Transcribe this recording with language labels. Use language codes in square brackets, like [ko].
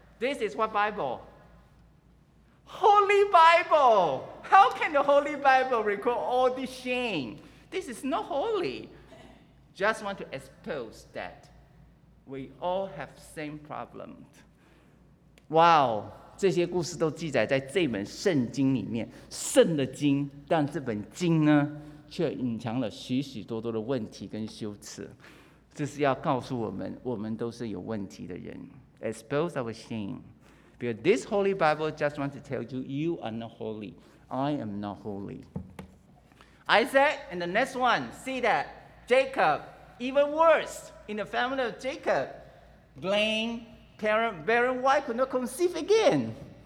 [en] This is what Bible? Holy Bible! How can the Holy Bible record all this shame? This is not holy. Just want to expose that we all have the same problem. Wow! [zh] 这些故事都记载在这本圣经里面，圣的经，但这本经呢，却隐藏了许许多多的问题跟羞耻。这是要告诉我们，我们都是有问题的人。 [en] Expose our shame. Because this Holy Bible just wants to tell you, you are not holy. I am not holy. Isaac and the next one, see that Jacob, even worse, in the family of Jacob, blame parent, barren wife could not conceive again.